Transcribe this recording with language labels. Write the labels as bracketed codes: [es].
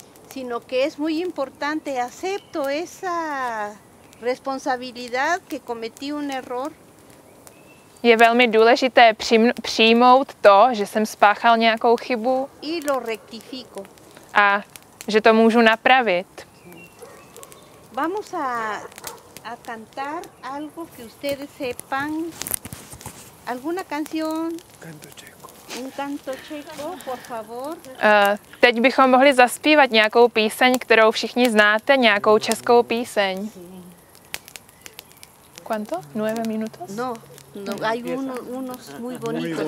[es] Sino que es muy importante acepto esa responsabilidad que cometí un error. [cs] Je velmi důležité přijmout to, že jsem spáchal nějakou chybu. [es] Y lo rectifico. [cs] A že to můžu napravit. [es] Vamos a cantar algo que ustedes sepan. Alguna canción. Canto checo. Un canto checo, por favor. [cs] Teď bychom mohli zaspívat nějakou píseň, kterou všichni znáte, nějakou českou píseň. [es] ¿Cuánto? ¿Nueve minutos? No, no hay unos muy bonitos.